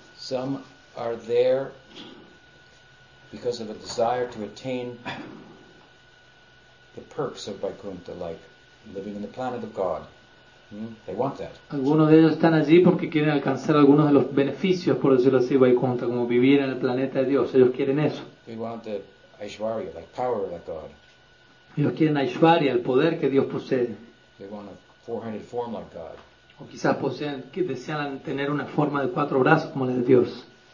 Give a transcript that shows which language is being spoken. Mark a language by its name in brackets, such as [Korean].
[English] Some are there because of a desire to attain the perks of Vaikuntha, like living in the planet of God. They want that. [Spanish] Algunos de ellos están allí porque quieren alcanzar algunos de los beneficios, por decirlo así, Vaikuntha, como vivir en el planeta de Dios. Ellos quieren eso. [English] They want the Aishwarya, like power that God. [Spanish] Ellos quieren Aishwarya, el poder que Dios posee. [English] They want a four-handed form like God. [Spanish] O quizás poseen, que desean tener una forma de cuatro brazos como la de Dios.